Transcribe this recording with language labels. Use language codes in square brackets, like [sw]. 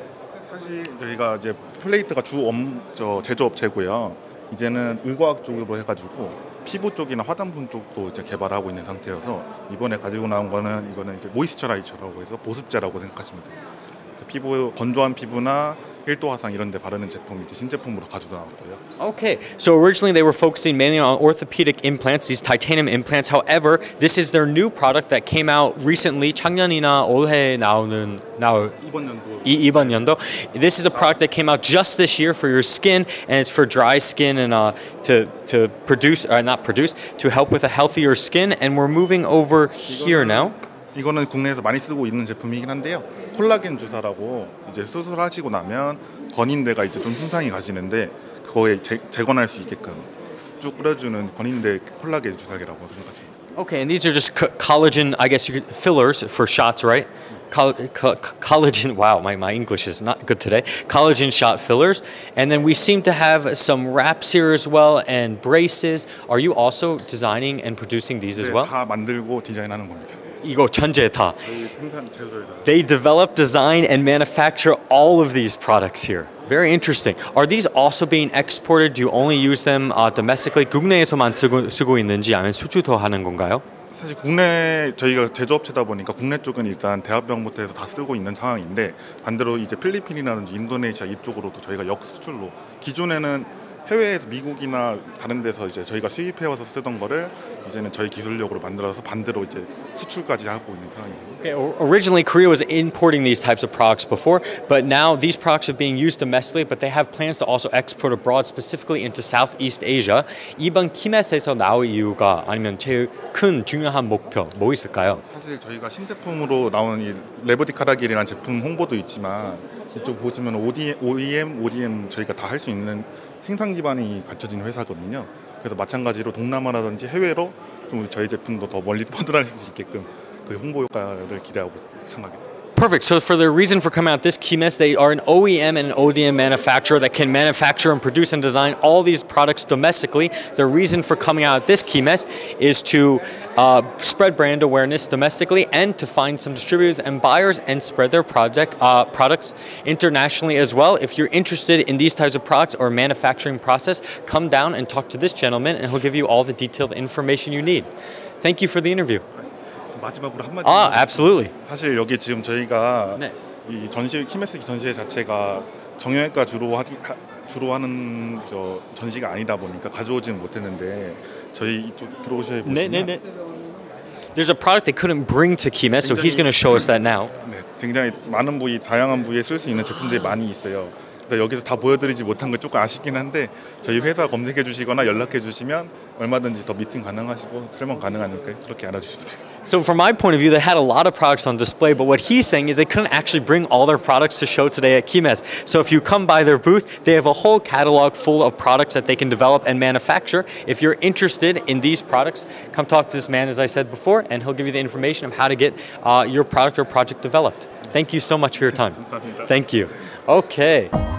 [ko] 사실 저희가 이제 플레이트가 주 저 제조업체고요. 이제는 의과학 쪽으로 해가지고 피부 쪽이나 화장품 쪽도 이제 개발하고 있는 상태여서 이번에 가지고 나온 거는 이거는 이제 모이스처라이저라고 해서 보습제라고 생각하시면 돼요. 피부 건조한 피부나 1도 화상 이런 데 바르는 제품이 이제 신제품으로 가져다 나왔고요. [en] Okay. So originally they were focusing mainly on orthopedic implants, these titanium implants. However, this is their new product that came out recently. [ko] 작년이나 올해 나오는 이번 연도. 이번 연도. [en] This is a product that came out just this year for your skin, and it's for dry skin and to produce or not produce to help with a healthier skin. And we're moving over here now. [ko] 이거는 국내에서 많이 쓰고 있는 제품이긴 한데요. 콜라겐 주사라고 이제 수술하시고 나면 건인대가 이제 좀 손상이 가시는데 그거에 재건할 수 있게끔 쭉 뿌려주는 건인대 콜라겐 주사기라고 생각하십니다. [en] Okay, and these are just collagen, I guess, fillers for shots, right? Collagen. Wow, my English is not good today. Collagen shot fillers, and then we seem to have some wraps here as well and braces. Are you also designing and producing these as well? [ko] 네, 다 만들고 디자인하는 겁니다. 이거 천재다. [en] 저희 They develop, design, and manufacture all of these products here. Very interesting. Are these also being exported? Do you only use them domestically? [ko] 국내에서만 쓰고 있는지 아니면 수출도 하는 건가요? 사실 국내 저희가 제조업체다 보니까 국내 쪽은 일단 대한병부터 해서 다 쓰고 있는 상황인데 반대로 이제 필리핀이라든지 인도네시아 이쪽으로도 저희가 역수출로 기존에는 해외에서 미국이나 다른 데서 이제 저희가 수입해 와서 쓰던 거를 이제는 저희 기술력으로 만들어서 반대로 이제 수출까지 하고 있는 상황입니다. [en] Okay, originally Korea was importing these types of products before, but now these products are being used domestically, but they have plans to also export abroad, specifically into Southeast Asia. [ko] 이번 KIMES에서 나온 이유가 아니면 제일 큰 중요한 목표 뭐 있을까요? 사실 저희가 신제품으로 나온 이 레버디카라길이라는 제품 홍보도 있지만 이쪽 보시면 ODM 저희가 다 할 수 있는 생산 기반이 갖춰진 회사거든요. 그래서 마찬가지로 동남아라든지 해외로 좀 저희 제품도 더 멀리 퍼져나갈 수 있게끔 그 홍보 효과를 기대하고 참가하겠습니다. [en] Perfect. So for the reason for coming out this KIMES, they are an OEM and an ODM manufacturer that can manufacture and produce and design all these products domestically. The reason for coming out this KIMES is to spread brand awareness domestically and to find some distributors and buyers and spread their products internationally as well. If you're interested in these types of products or manufacturing process, come down and talk to this gentleman and he'll give you all the detailed information you need. Thank you for the interview. [ko] 마지막으로 한마디. [en] Absolutely. [ko] 사실 여기 지금 저희가 네. 이 전시 KIMES 전시회 자체가 정형외과 주로 하는 저 전시가 아니다 보니까 가져오진 못했는데 저희 이쪽 들어오셔야 보시면 네, 네, 네. [en] There's a product they couldn't bring to KIMES, so he's going to show us that now. [ko] 네, 굉장히 많은 부위, 다양한 부위에 쓸 수 있는 제품들이 많이 있어요. 근데 여기서 다 보여드리지 못한 게 조금 아쉽긴 한데 저희 회사 검색해 주시거나 연락해 주시면 얼마든지 더 미팅 가능하시고 설명 가능하니까 그렇게 알아주시면 돼요. [en] So from my point of view, they had a lot of products on display, but what he's saying is they couldn't actually bring all their products to show today at KIMES. So if you come by their booth, they have a whole catalog full of products that they can develop and manufacture. If you're interested in these products, come talk to this man, as I said before, and he'll give you the information of how to get your product or project developed. Thank you so much for your time. Thank you. Okay.